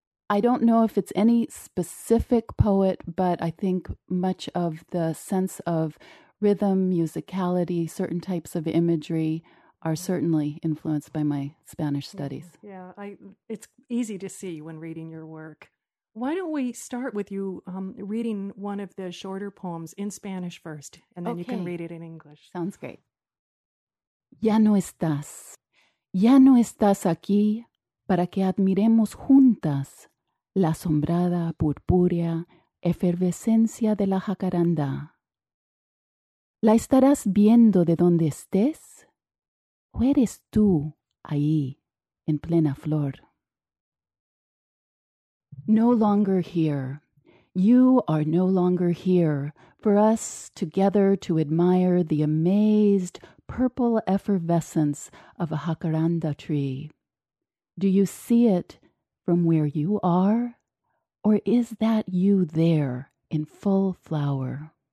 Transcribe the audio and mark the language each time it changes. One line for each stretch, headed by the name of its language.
English: I don't know if it's any specific poet, but I think much of the sense of rhythm, musicality, certain types of imagery are certainly influenced by my Spanish studies. Yeah, it's easy to see when reading your work. Why don't we start with you reading one of the shorter poems in Spanish first, and then okay. You can read it in English. Sounds great.
Spanish: Ya no estás. Ya no estás aquí para que admiremos juntas la asombrada, purpúrea efervescencia de la jacaranda. ¿La estarás viendo de donde estés? ¿O eres tú ahí, en plena flor?
English: No longer here. You are no longer here for us together to admire the amazed purple effervescence of a jacaranda tree. Do you see it from where you are? Or is that you there in full flower?